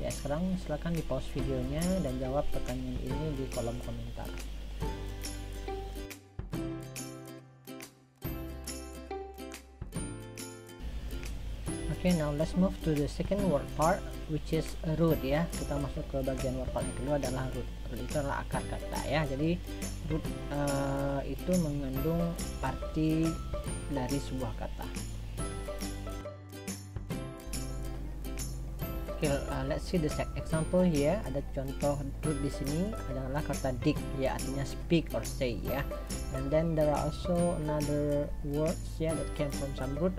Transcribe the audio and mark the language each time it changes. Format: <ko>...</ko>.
<id>Ya, sekarang silakan di pause videonya dan jawab pertanyaan ini di kolom komentar.</id> <en>Okay, now let's move to the second word part, which is root.</en> <id>Ya, kita masuk ke bagian word part yang kedua adalah root. Root itu adalah akar kata. Ya, jadi root itu mengandung arti dari sebuah kata.</id> <en>Okay, let's see the second example here.</en> <id>Ada contoh root di sini adalah kata dig. Ya, artinya</id> <en>speak or say. Ya, and then there are also another words ya that came from some root.</en>